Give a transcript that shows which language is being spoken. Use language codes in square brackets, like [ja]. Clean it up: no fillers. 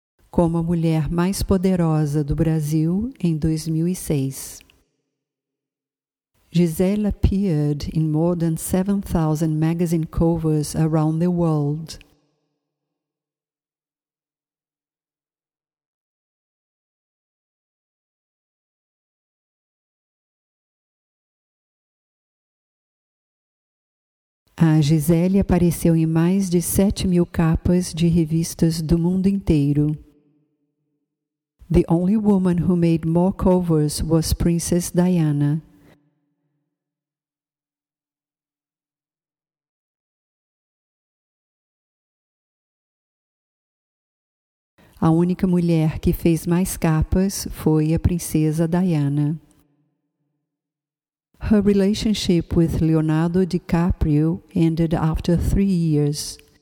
[pt] Como a mulher mais poderosa do Brasil em 2006. [en] Gisele appeared in more than 7,000 magazine covers around the world. [pt] A Gisele apareceu em mais de 7 mil capas de revistas do mundo inteiro. [en] The only woman who made more covers was Princess Diana. [pt] A única mulher que fez mais capas foi a Princesa Diana. [en] Her relationship with Leonardo DiCaprio ended after 3 years.